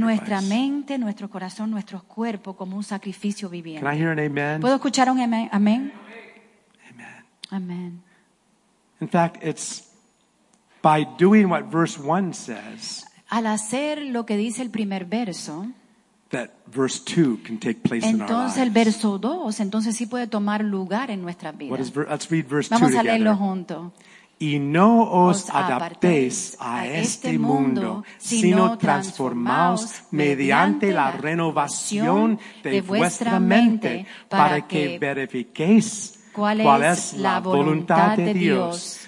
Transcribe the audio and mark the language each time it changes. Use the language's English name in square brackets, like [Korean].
[Spanish] Nuestra mente, nuestro corazón, nuestro cuerpo como un sacrificio viviente. [English] Can I hear an amen? [Spanish] ¿Puedo escuchar un amén? Amén. [English] Amen. Amen. In fact, it's by doing what verse 1 says. [Spanish] Al hacer lo que dice el primer verso, [English] that verse 2 can take place [Spanish] entonces [English] in our lives. [Spanish] El verso 2 entonces sí puede tomar lugar en nuestra vida. [English] What is let's read verse [Spanish] vamos 2 a [English] together. [Spanish] Leerlo junto. Y no os adaptéis a este mundo, sino transformaos mediante la renovación de vuestra mente para que verifiquéis cuál es la voluntad de Dios.